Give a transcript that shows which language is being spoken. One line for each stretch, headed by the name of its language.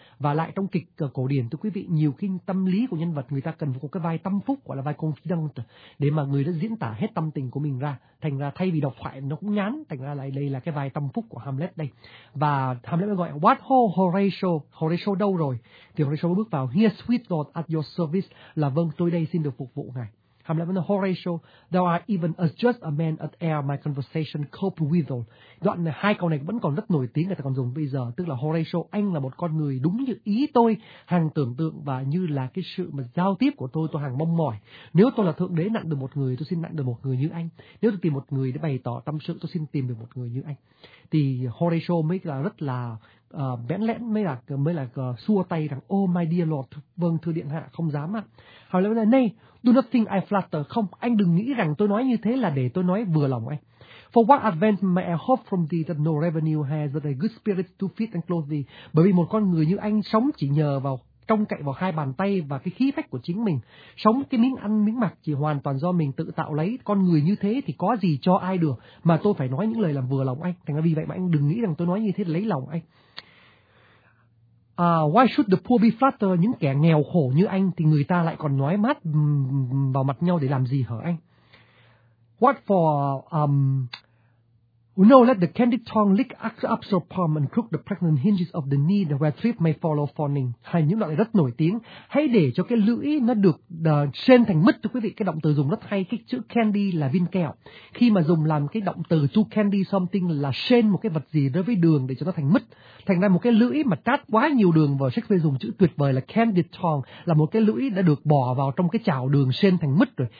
Vietnamese: Và lại trong kịch cổ điển, thưa quý vị, nhiều khi tâm lý của nhân vật người ta cần một cái vai tâm phúc, gọi là vai confidant, để mà người đã diễn tả hết tâm tình của mình ra, thành ra thay vì đọc thoại nó cũng ngán, thành ra lại đây là cái vai tâm phúc của Hamlet đây. Và Hamlet mới gọi
English: what ho Horatio,
Vietnamese: Horatio đâu rồi? Thì Horatio bước vào,
English: here sweet lord at your service,
Vietnamese: là vâng tôi đây xin được phục vụ ngài. Hamlet vẫn là Horatio.
English: Thou art even as just a man as e'er my conversation cope withal.
Vietnamese: Đoạn này, hai câu này vẫn còn rất nổi tiếng, người ta còn dùng bây giờ. Tức là Horatio, anh là một con người đúng như ý tôi hằng tưởng tượng và như là cái sự mà giao tiếp của tôi hằng mong mỏi. Nếu tôi là thượng đế nặng được một người, tôi xin nặng được một người như anh. Nếu tôi tìm một người để bày tỏ tâm sự, tôi xin tìm được một người như anh. Thì Horatio mới là rất là bẽn lẽn, mới là xua tay rằng
English: oh my dear lord,
Vietnamese: vâng thưa điện hạ, không dám ạ. Hỏi lại này,
English: do not think I flatter,
Vietnamese: không, anh đừng nghĩ rằng tôi nói như thế là để tôi nói vừa lòng anh.
English: For what advance may I hope from thee that no revenue has, but a good spirit to feed and clothe thee?
Vietnamese: Bởi vì một con người như anh sống chỉ nhờ vào trông cậy vào hai bàn tay và cái khí phách của chính mình, sống cái miếng ăn miếng mặc chỉ hoàn toàn do mình tự tạo lấy, con người như thế thì có gì cho ai được mà tôi phải nói những lời làm vừa lòng anh. Thành ra vì vậy mà anh đừng nghĩ rằng tôi nói như thế lấy lòng anh.
English: Why should the poor be flattered?
Vietnamese: Những kẻ nghèo khổ như anh thì người ta lại còn nói mát vào mặt nhau để làm gì hả anh?
English: What for? No, let the candid tongue lick up so palm and crook the pregnant hinges of the knee where thrift may follow fawning.
Vietnamese: Hay những đoạn này rất nổi tiếng. Hãy để cho cái lưỡi nó được sên thành mứt, thưa quý vị. Cái động từ dùng rất hay. Cái chữ candy là viên kẹo. Khi mà dùng làm cái động từ
English: to candy something
Vietnamese: là sên một cái vật gì đối với đường để cho nó thành mứt. Thành ra một cái lưỡi mà tát quá nhiều đường vào, Shakespeare dùng chữ tuyệt vời là candid tongue, là một cái lưỡi đã được bỏ vào trong cái chảo đường sên thành mứt rồi.